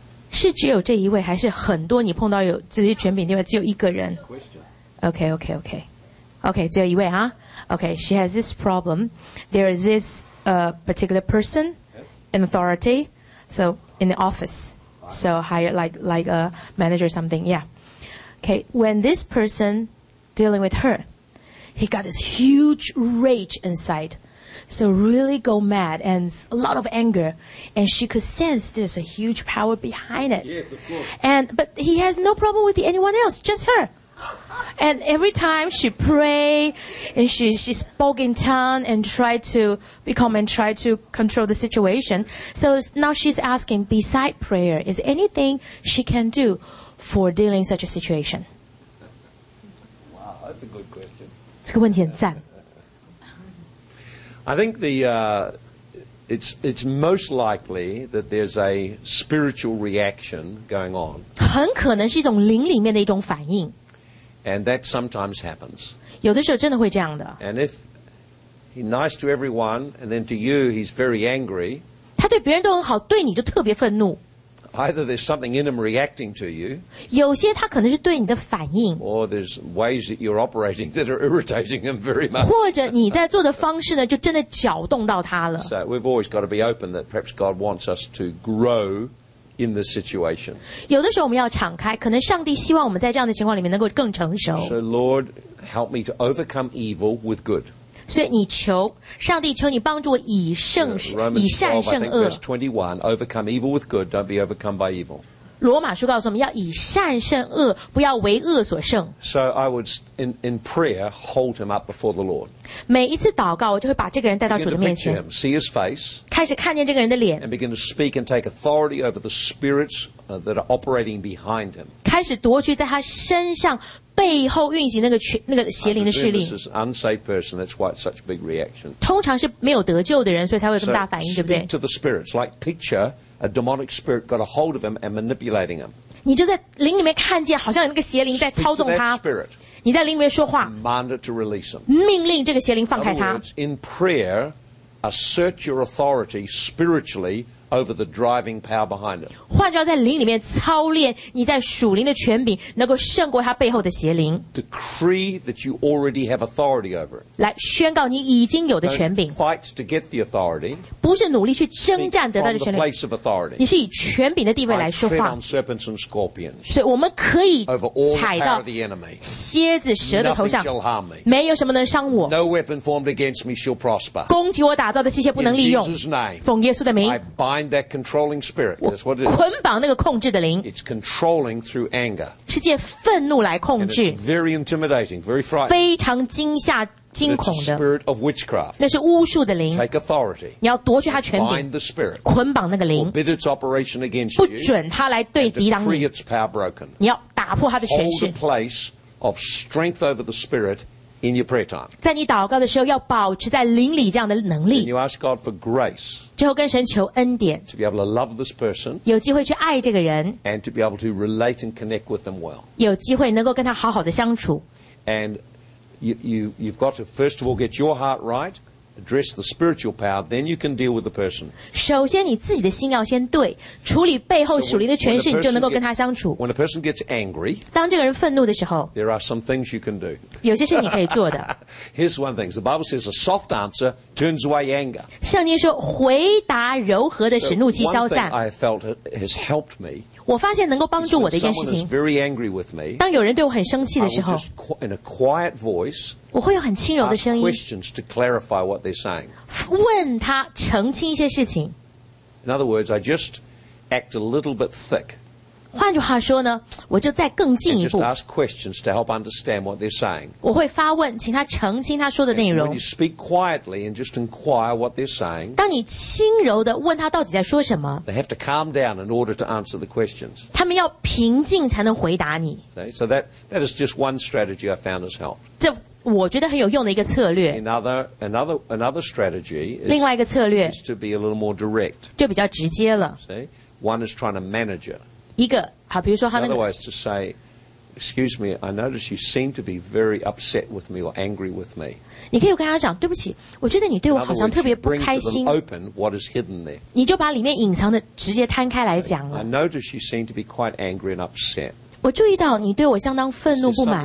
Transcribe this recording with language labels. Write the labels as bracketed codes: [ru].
[zh] 是只有这一位，还是很多你碰到有这些权柄地位只有一个人 ？OK， 只有一位啊。 [en] OK， she has this problem. There is this particular person in authority, so in the office, so hired like a manager or something. Yeah. Okay. When this person dealing with her, he got this huge rage inside. So really go mad and a lot of anger. And she could sense there's a huge power behind it. Yes, of course. But he has no problem with anyone else, just her. And every time she pray and she spoke in tongue and tried to become and try to control the situation. So now she's asking, beside prayer, is there anything she can do for dealing such a situation? Wow, that's a good question. [zh] 这个问题很赞。 [en] I think it's most likely that there's a spiritual reaction going on. [zh] 很可能是一种灵里面的一种反应。 [en] And that sometimes happens. [zh] 有的时候真的会这样的。 [en] And if he's nice to everyone, and then to you, he's very angry. [zh] 他对别人都很好，对你就特别愤怒。 [en] Either there's something in him reacting to you. [zh] 有些他可能是对你的反应。 [en] Or there's ways that you're operating that are irritating him very much. [zh] 或者你在做的方式呢，就真的搅动到他了。 [en] So we've always got to be open that perhaps God wants us to grow in this situation. [zh] 有的时候我们要敞开，可能上帝希望我们在这样的情况里面能够更成熟。 [en] So Lord, help me to overcome evil with good. [zh] 所以你求上帝，求你帮助我以胜以善胜恶。 [en] Romans 12:21, overcome evil with good. Don't be overcome by evil. [zh] 罗马书告诉我们要以善胜恶，不要为恶所胜。 [en] So I would in prayer hold him up before the Lord. [zh] 每一次祷告，我就会把这个人带到主的面前。 [en] Begin to picture him, see his face. [zh] 开始看见这个人的脸。 [en] And begin to speak and take authority over the spirits that are operating behind him. [zh] 开始夺取在他身上。背后运行那个邪灵的势力。 [en] I presume this is an unsaved person, that's why it's such a big reaction. [zh] 通常是没有得救的人，所以才会有这么大反应，对不对？ [en] So speak to the spirits, like picture a demonic spirit got a hold of him and manipulating him. [zh] 你就在灵里面看见，好像有那个邪灵在操纵他。 [en] Speak to that spirit. [zh] 你在灵里面说话。 [en] Command it to release him. [zh] 命令这个邪灵放开他。 [en] In other words, in prayer, assert your authority spiritually over the driving power behind it. [zh] 换句话，在灵里面操练你在属灵的权柄，能够胜过他背后的邪灵。 [en] Decree that you already have authority over it. [zh] 来宣告你已经有的权柄。 [en] Don't fight to get the authority. [zh] 不是努力去征战得到的权柄。 [en] Speak from the place of authority. [zh] 你是以权柄的地位来说话。 [en] I tread on serpents and scorpions. [zh] 所以我们可以踩到蝎子蛇的头上。 [en] Nothing shall harm me. [zh] 没有什么能伤我。 [en] No weapon formed against me shall prosper. [zh] 攻击我打造的器械不能利用。 [en] In Jesus' name. [zh] 奉耶稣的名。 [en] I bind that controlling spirit. That's what it is. [zh] 捆绑那个控制的灵。 [en] It's controlling through anger. [zh] 是借愤怒来控制。 [en] And it's very intimidating, very frightening. [zh] 非常惊吓惊恐的。 [en] It's a spirit of witchcraft. [zh] 那是巫术的灵。 [en] Take authority. [zh] 你要夺取他权柄。 [en] Bind the spirit. [zh] 捆绑那个灵。 [en] Forbid its operation against you. [zh] 不准他来对抵挡你。 [en] And decree its power broken. [zh] 你要打破他的权势。 [en] Hold a place of strength over the spirit. In your prayer time. [zh] 在你祷告的时候要保持在灵里这样的能力。 [en] And you ask God for grace. [zh] 之后跟神求恩典。 [en] To be able to love this person. [zh] 有机会去爱这个人。 [en] And to be able to relate and connect with them well. [zh] 有机会能够跟他好好的相处。 [en] And you've got to first of all get your heart right, address the spiritual power, then you can deal with the person. [zh] 首先你自己的心要先对，处理背后属灵的权势，你就能够跟他相处。 [en] When a person gets angry, [zh] 当这个人愤怒的时候， [en] there are some things you can do. [zh] 有些事你可以做的。 [en] Here's one thing. The Bible says a soft answer turns away anger. [zh] 圣经说，回答柔和的使怒气消散。 [en] So one thing I felt has helped me. [zh] 我发现能够帮助我的一件事情。 [en] Someone is very angry with me. [zh] 当有人对我很生气的时候， [en] in a quiet voice. [zh] 我会有很轻柔的声音 [en] to clarify what they're saying. [zh] 问他澄清一些事情 [en] In other words, I just act a little bit thick. [zh] 换句话说呢我就再更进一步 [en] And just ask questions to help understand what they're saying. [zh] 我会发问请他澄清他说的内容 [en] And when you speak quietly and just inquire what they're saying, [zh] 当你轻柔地问他到底在说什么 [en] they have to calm down in order to answer the questions. [zh] 他们要平静才能回答你 [en] So that is just one strategy I found has helped. [zh] 这我觉得很有用的一个策略。 [en] Another strategy is, [zh] 另外一个策略 [en] is to be a little more direct. [zh] 就比较直接了。 [en] See? One is trying to manage it. [zh] 一个，好，比如说他那个。 [en] Otherwise to say, excuse me, I notice you seem to be very upset with me or angry with me. [zh] 你可以跟他讲，对不起，我觉得你对我好像特别不开心。 [en] Open what is hidden there. [zh] 你就把里面隐藏的直接摊开来讲了。 [en] I notice you seem to be quite angry and upset. [zh] 我注意到你对我相当愤怒不满。